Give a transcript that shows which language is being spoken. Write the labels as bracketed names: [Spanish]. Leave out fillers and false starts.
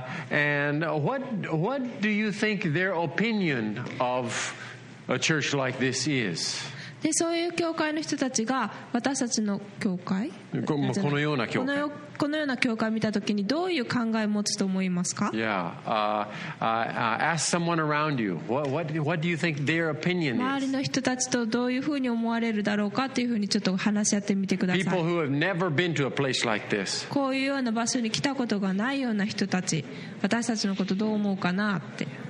[English] And what do you think their opinion of a church like this is? [Japanese] で、そういう教会の人たちが私たちの教会？このような教会。このような教会を見たときにどういう考えを持つと思いますか？ [English] Ask someone around you. What do you think their opinion is? [Japanese] 周りの人たちとどういうふうに思われるだろうかというふうにちょっと話し合ってみてください。 [English] People who have never been to a place like this. [Japanese] こういうような場所に来たことがないような人たち、私たちのことどう思うかなって。